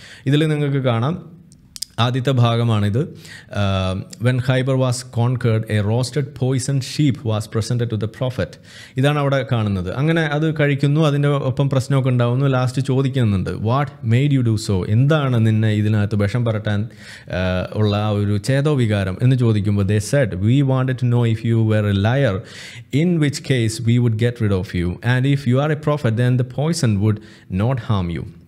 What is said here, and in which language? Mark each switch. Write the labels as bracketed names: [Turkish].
[Malayalam] ഇതിൽ നിങ്ങൾക്ക് കാണാം ആദ്യത്തെ ഭാഗമാണിത്. [English] When Khyber was conquered, a roasted poison sheep was presented to the prophet. [Malayalam] ഇതാണ് അവിടെ കാണുന്നത്. അങ്ങനെ അത് കഴിക്കുന്നു, അതിൻ്റെ ഒപ്പം പ്രശ്നമൊക്കെ ഉണ്ടാകുന്നു. ലാസ്റ്റ് ചോദിക്കുന്നുണ്ട്, [English] what made you do so, [Malayalam] എന്താണ് നിന്നെ ഇതിനകത്ത് വിഷം പരട്ടാൻ ഉള്ള ആ ഒരു ചേതോവികാരം എന്ന് ചോദിക്കുമ്പോൾ, [English] They said we wanted to know if you were a liar, in which case we would get rid of you, and if you are a prophet then the poison would not harm you.